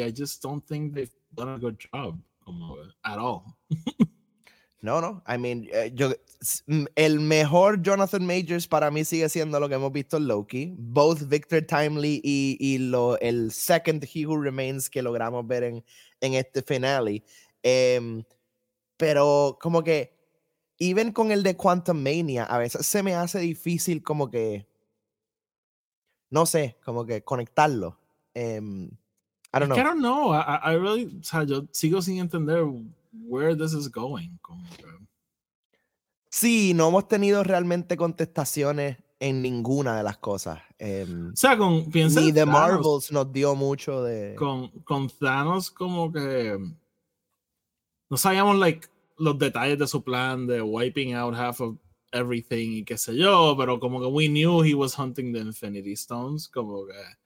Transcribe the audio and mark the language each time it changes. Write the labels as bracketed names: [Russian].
[English] I just don't think they've done a good job [Spanish] como, [English] at all. No. I mean, [Spanish] el mejor Jonathan Majors para mí sigue siendo lo que hemos visto en Loki. [English] Both [Spanish] Victor Timely y el [English] second [Spanish] He Who Remains que logramos ver en este finale. Pero como que, [English] even [Spanish] con el de Quantumania, a veces se me hace difícil como que, no sé, como que conectarlo. [English] I don't know. I really, [Spanish] o sea, yo sigo sin entender [English] where this is going. [Spanish] Como que. Sí, no hemos tenido realmente contestaciones en ninguna de las cosas. O sea, piensa. Ni The Marvels nos dio mucho de. Con Thanos, como que. No sabíamos, [English] like, [Spanish] los detalles de su plan de [English] wiping out half of everything [Spanish] y qué sé yo, pero como que [English] we knew he was hunting the Infinity Stones, [Spanish] como que.